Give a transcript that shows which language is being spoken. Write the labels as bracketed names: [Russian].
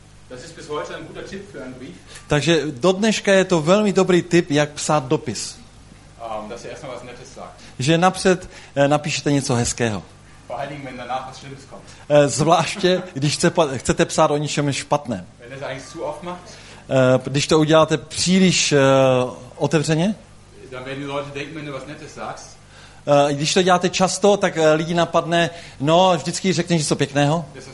[German] Das ist bis heute ein guter Tipp für einen Brief. [Czech] Takže do dneška je to velmi dobrý tip, jak psát dopis. [German] Dass ihr erstmal was Nettes sagt. [Czech] Že napřed napíšete něco hezkého. [German] Vor allem, wenn danach was Schlimmes kommt. [Czech] Zvláště, když chcete psát o něčem špatném. [German] Wenn es eigentlich zu oft macht. [Czech] Když to uděláte příliš otevřeně. [German] Dann werden die Leute denken, wenn du was Nettes sagst. [Czech] Když to děláte často, tak lidi napadne, no, vždycky řekneš něco pěkného.